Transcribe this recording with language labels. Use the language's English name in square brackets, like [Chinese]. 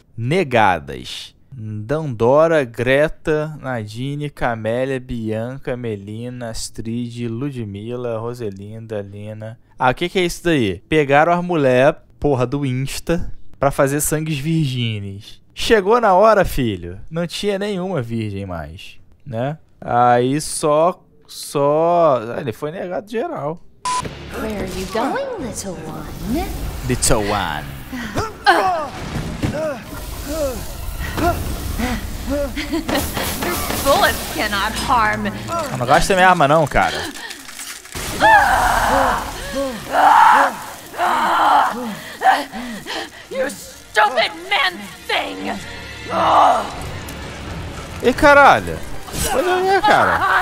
[Portuguese] Negadas. Dandora, Greta, Nadine, Camélia, Bianca, Melina, Astrid, Ludmilla, Roselinda, Lina. Ah, o que, que é isso daí? Pegaram as mulheres, porra, do Insta, pra fazer sangues virgines. Chegou na hora, filho. Não tinha nenhuma virgem mais, né? Aí só... Ah, ele foi negado geral. [English] Where are you going, little one? Little one. Your bullets cannot harm. [Portuguese] Eu não gosto da minha arma não, cara. [English] You stupid man thing. [Portuguese] E caralho? Olha a minha cara.